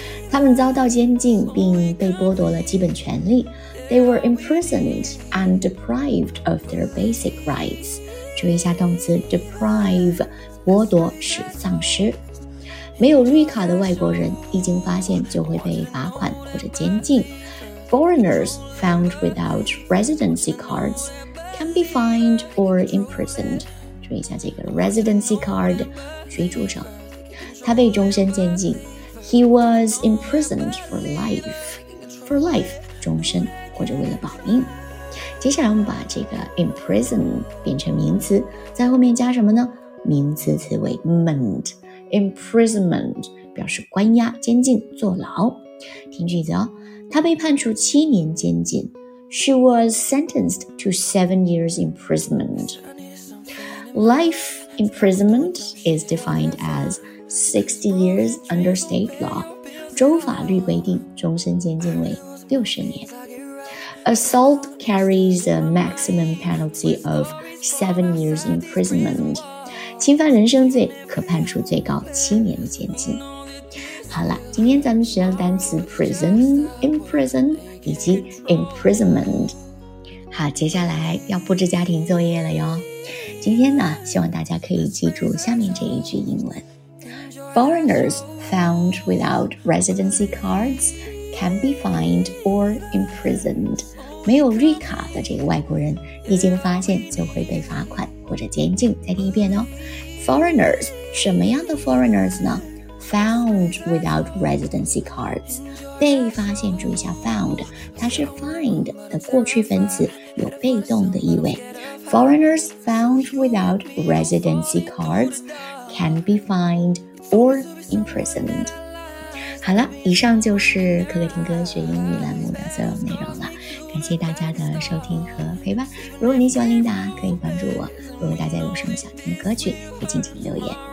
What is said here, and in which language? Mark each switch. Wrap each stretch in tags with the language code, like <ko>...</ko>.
<zh>他们遭到监禁并被剥夺了基本权利。</zh> <en>They were imprisoned and deprived of their basic rights.</en> <zh>注意一下动词 deprive, 剥夺是丧失。没有绿卡的外国人一经发现就会被罚款或者监禁。</zh> <en>Foreigners found without residency cards can be fined or imprisoned.</en> <zh>注意一下这个 residency card, 居住证。他被终身监禁。</zh> <en>He was imprisoned for life.</en> <zh>For life, 终身或者为了保命。接下来我们把这个 imprison 变成名词，在后面加什么呢？名词词尾 ment。Imprisonment 表示关押、监禁、坐牢。听句子哦，他被判处七年监禁。</zh> <en>She was sentenced to 7 years imprisonment. Life imprisonment is defined as 60 years under state law.</en> <zh>州法律规定终身监禁为60年。</zh> <en>Assault carries a maximum penalty of 7 years imprisonment.</en> <zh>侵犯人身罪可判处最高7年的监禁。好了，今天咱们学了单词 prison, imprison 以及 imprisonment。好，接下来要布置家庭作业了哟。今天呢，希望大家可以记住下面这一句英文 ：</zh> <en>Foreigners found without residency cards can be fined or imprisoned。</en> <zh>没有绿卡的这个外国人，一经发现就会被罚款。或者监禁，再听一遍哦。 Foreigners, 什么样的 foreigners 呢？</zh> <en>Found without residency cards,</en> <zh>被发现，注意一下 found, 它是 find 的过去分词，有被动的意味。</zh> <en>Foreigners found without residency cards can be fined or imprisoned.</en> <zh>好了，以上就是可可听歌学英语栏目的所有内容了。感谢大家的收听和陪伴。如果你喜欢琳达，可以关注我。如果大家有什么想听的歌曲，也请尽情留言。</zh>